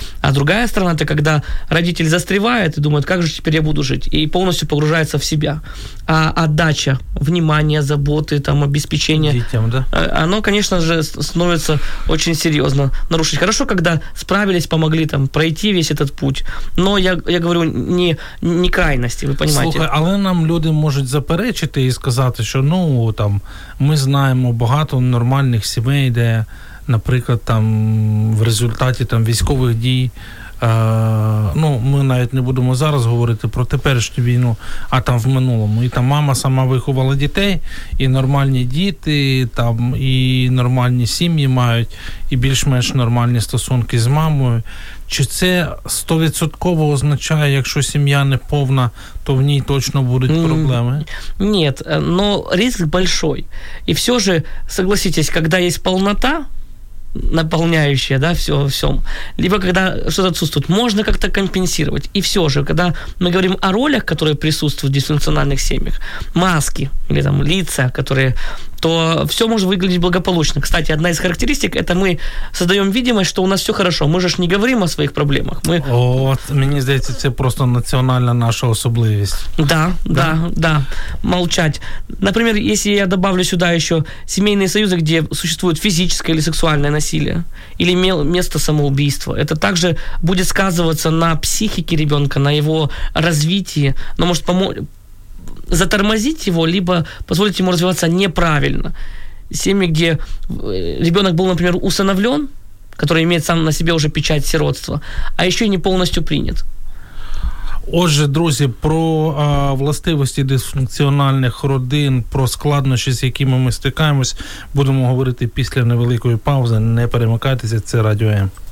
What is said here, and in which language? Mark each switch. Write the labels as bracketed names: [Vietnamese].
[Russian] А другая сторона – это когда родитель застревает и думает, как же теперь я буду жить, и полностью погружается в себя. А отдача, внимание, заботы, там, обеспечение – детям, да? Оно, конечно же, становится очень серьезно нарушить. Хорошо, когда справились, помогли там, пройти весь этот путь, но я говорю не крайности, вы понимаете. [Ukrainian] Слушай, але нам люди [Russian] могут заперечить и сказать, что ну, там, мы знаем много нормальных семей, [Ukrainian] где наприклад, там, в результаті там, військових дій, ну, ми навіть не будемо зараз говорити про теперішню війну, а там в минулому. І там мама сама виховала дітей, і нормальні діти, там, і нормальні сім'ї мають, і більш-менш нормальні стосунки з мамою. Чи це 100% означає, якщо сім'я не повна, то в ній точно будуть проблеми? Ні, але ризик великий. І все ж, [Russian] согласитесь, [Ukrainian] коли є повнота, [Russian] наполняющее, да, все, всем. Либо когда что-то отсутствует, можно как-то компенсировать. И все же, когда мы говорим о ролях, которые присутствуют в дисфункциональных семьях, маски или там лица, которые, то все может выглядеть благополучно. Кстати, одна из характеристик – это мы создаем видимость, что у нас все хорошо. Мы же не говорим о своих проблемах. Мы... Вот, мне кажется, это просто национальная наша особливость. Да, да, да, да. Молчать. Например, если я добавлю сюда еще семейные союзы, где существует физическое или сексуальное насилие, или место самоубийства, это также будет сказываться на психике ребенка, на его развитии, но может помочь... затормозить его, либо позволить ему развиваться неправильно. Семьи, где ребенок был, например, усыновлен, который имеет сам на себе уже печать сиротства, а еще и не полностью принят. [Ukrainian] Отже, друзі, про властивості дисфункціональних родин, про складнощі, з якими ми стикаємось, будемо говорити після невеликої паузи. Не перемикайтеся, це Радіо М.